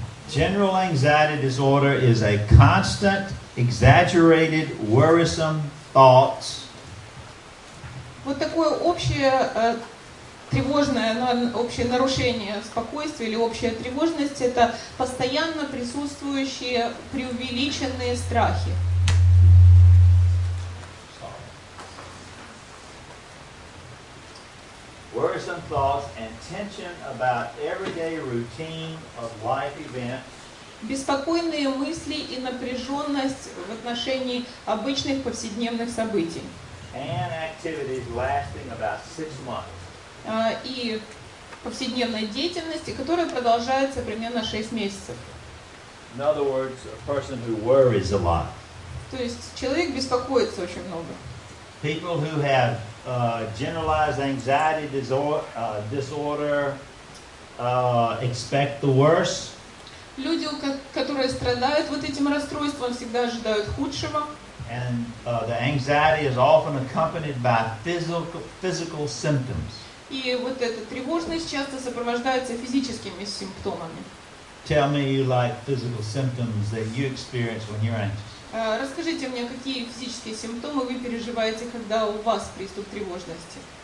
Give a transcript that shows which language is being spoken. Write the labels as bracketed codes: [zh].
[en] General anxiety disorder is a constant, exaggerated, worrisome thoughts. [ru] Вот такое общее тревожное, общее нарушение спокойствия или общая тревожность – это постоянно присутствующие преувеличенные страхи. [en] Worrisome thoughts and tension about everyday routine of life events. [ru] Беспокойные мысли и напряженность в отношении обычных повседневных событий. [en] And activities lasting about 6 months. [ru] и повседневной деятельности, которая продолжается примерно 6 месяцев. [en] In other words, a person who worries a lot. [ru] То есть человек беспокоится очень много. [en] People who have generalized anxiety disorder expect the worst. [ru] Люди, которые страдают вот этим расстройством, всегда ожидают худшего. [en] And the anxiety is often accompanied by physical symptoms. [ru] И вот эта тревожность часто сопровождается физическими симптомами. [en] Tell me you like physical symptoms that you experience when you're anxious. [ru] Расскажите мне, какие физические симптомы вы переживаете, когда у вас приступ тревожности?